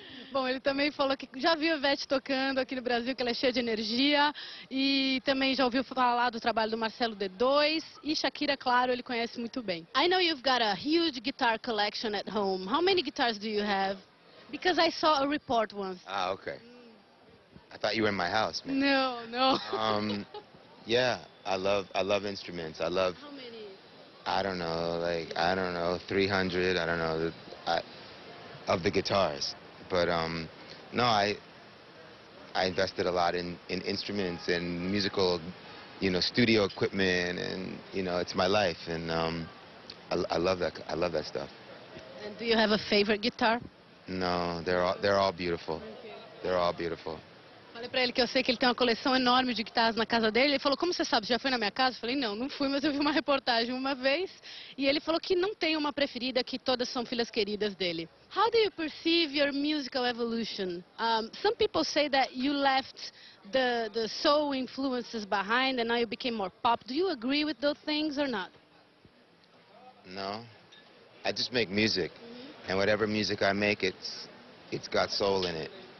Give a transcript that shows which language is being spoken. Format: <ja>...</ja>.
<pt>Bom, ele também falou que já viu a Ivete tocando aqui no Brasil, que ela é cheia de energia. E também já ouviu falar do trabalho do Marcelo D2. E Shakira, claro, ele conhece muito bem.</pt> <en>I know you've got a huge guitar collection at home. How many guitars do you have? Because I saw a report once. Ah, okay. I thought you were in my house, man. No, no. Yeah, I love instruments. I love... How many? I don't know, 300, I don't know, of the guitars. But no, I invested a lot in instruments and musical, you know, studio equipment, and, you know, it's my life, and I love that stuff. And do you have a favorite guitar? No, they're all beautiful. They're all beautiful.</en> <pt>Falei para ele que eu sei que ele tem uma coleção enorme de guitarras na casa dele. Ele falou, como você sabe, já foi na minha casa? Eu falei, não fui, mas eu vi uma reportagem uma vez. E ele falou que não tem uma preferida, que todas são filhas queridas dele.</pt> <en>How do you perceive your musical evolution? Some people say that you left the soul influences behind and now you became more pop. Do you agree with those things or not? No. I just make music. Mm-hmm. And whatever music I make, it's got soul in it.</en>